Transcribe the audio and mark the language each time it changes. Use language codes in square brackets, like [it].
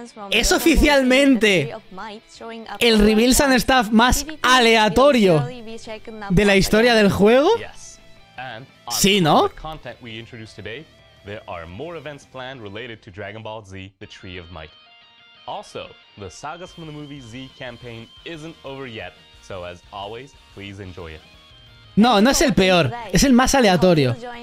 [es] Es oficialmente el reveal Sun Staff más aleatorio de la historia del juego. Sí, ¿no? [en] Content we introduced today, there are more events planned related to Dragon Ball Z, the Tree of Might. Also, the sagas from the movie Z campaign isn't over yet, so as always, please enjoy it. [es] No, no es el peor, es el más aleatorio.